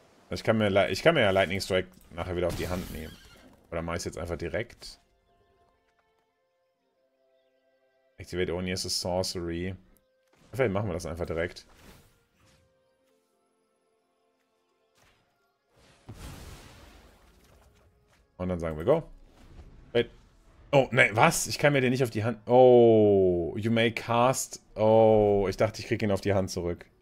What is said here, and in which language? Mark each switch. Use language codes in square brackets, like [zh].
[de] Ich kann mir ja Lightning Strike nachher wieder auf die Hand nehmen. Oder mache ich es jetzt einfach direkt? [en] Activate only as a sorcery. [de] Vielleicht machen wir das einfach direkt. Und dann sagen wir go. Oh, nein, was? Ich kann mir den nicht auf die Hand. [en] Oh, you may cast. [de] Oh, ich dachte, ich kriege ihn auf die Hand zurück.